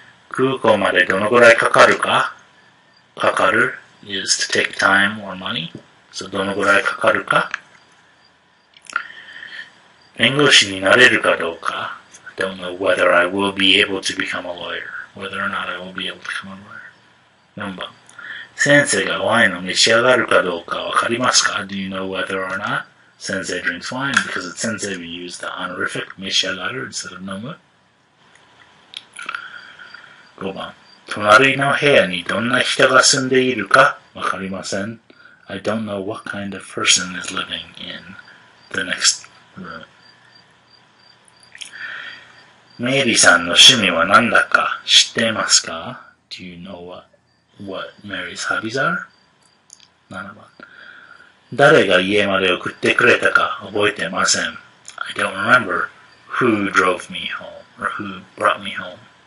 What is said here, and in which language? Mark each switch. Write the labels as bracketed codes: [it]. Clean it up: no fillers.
[ja] 空港までどのくらいかかるかかかる [en] is to take time or money So [ja] どのくらいかかるか弁護士になれるかどうか [en] I don't know whether I will be able to become a lawyer Whether or not I will be able to become a lawyer [ja] 4番先生がワインを召し上がるかどうかわかりますか? [en] Do you know whether or not 先生 drinks wine? Because it's 先生 we use the honorific 召し上がる instead of 飲む。 [ja] 5番隣の部屋にどんな人が住んでいるかわかりません。 [en] I don't know what kind of person is living in the next room. [ja] メイリーさんの趣味は何だか知ってますか? [en] Do you know what Mary's hobbies are? [ja] 7番誰が家まで送ってくれたか覚えてません。 [en] I don't remember who drove me home or who brought me home.